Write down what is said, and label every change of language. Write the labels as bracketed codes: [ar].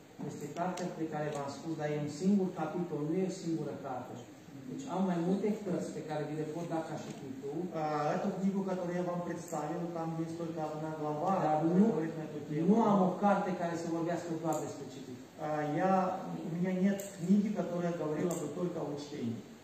[ro] Este cartea pe care v-am spus, dar e un singur capitol, nu e o singură carte. Deci am mai multe cărți pe care vi le pot da ca și titlu. [ru] Aia книгу, [ro] care eu v-am [ru] представил, там есть только одна глава. [ro] Dar nu am o carte care să vorbească doar despre cititul. [ru] у меня нет книги, которая говорила бы только о чтении.